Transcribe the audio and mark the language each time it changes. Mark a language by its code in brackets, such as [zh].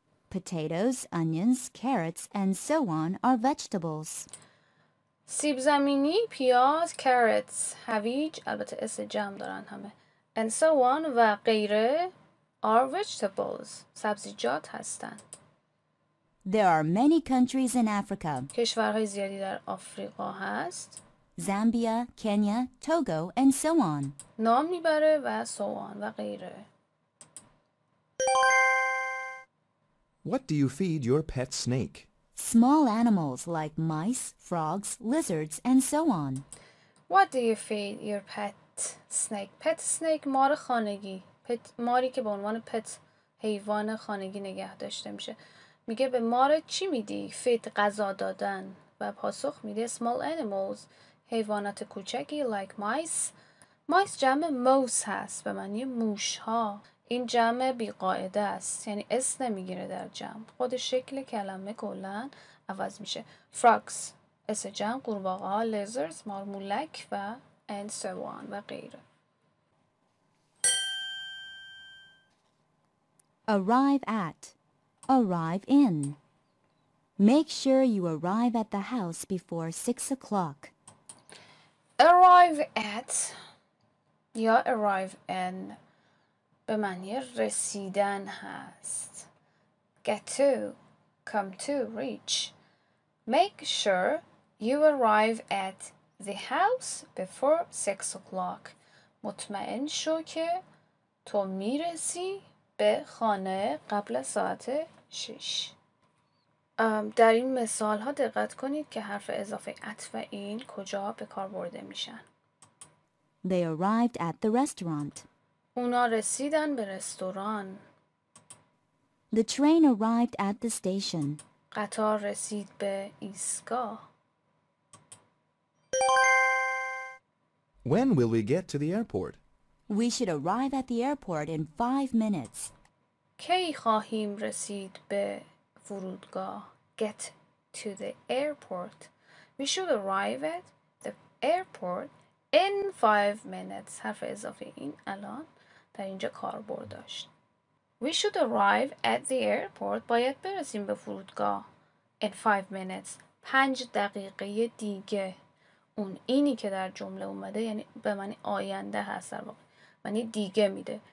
[en] Potatoes, onions, carrots, and so on are vegetables. [fa] سیب زمینی, پیاز, carrots, هویج, البته اسم جمع دارن همه. [en] And so on [fa] و غیره [en] are vegetables. [fa] سبزیجات هستن. [en] There are many countries in Africa. [fa] کشورهای زیادی در آفریقا هست. [en] Zambia, Kenya, Togo, and so on. [fa] نام میبره و [en] so on [fa] و غیره. [en] What do you feed your pet snake? Small animals like mice, frogs, lizards, and so on. What do you feed your pet snake? Pet snake [fa] مار خانگی. پت ماری که به عنوان پت حیوان خانگی نگه داشته میشه. میگه به مار چی میدی؟ فید غذا دادن. و پاسخ میده [en] small animals، [fa] حیوانات کوچکی [en] like mice. [fa] mice جمع موس هست به معنی موش ها. این جمع بی قاعده است، یعنی اس نمیگیره در جمع، خود شکل کلمه کلن عوض میشه. frogs اس جمع، قورباغه ها، lizards مارمولک و [en] and so on [fa] و غیره. [en] arrive at، arrive in. make sure you arrive at the house before 6 o'clock. [fa] arrive at یا arrive in به معنی رسیدن هست. [en] get to، come to، reach. make sure you arrive at the house before 6 o'clock. [fa] مطمئن شو که تو میرسی به خانه قبل ساعت 6. در این مثال ها دقت کنید که حرف اضافه at و in کجا به کار برده میشن. [en] They arrived at the restaurant. [fa] اونا رسیدن به رستوران. [en] The train arrived at the station. [fa] قطار رسید به ایستگاه. [en] When will we get to the airport? We should arrive at the airport in 5 minutes. [fa] کی خواهیم رسید به فرودگاه؟ [en] Get to the airport. We should arrive at the airport in 5 minutes. [fa] حرف اضافه این الان در اینجا کاربرد داشت. [en] We should arrive at the airport. [fa] باید برسیم به فرودگاه. [en] In 5 minutes. [fa] 5 دقیقه دیگه. اون اینی که در جمله اومده یعنی به معنی آینده هست، در واقع معنی دیگه میده.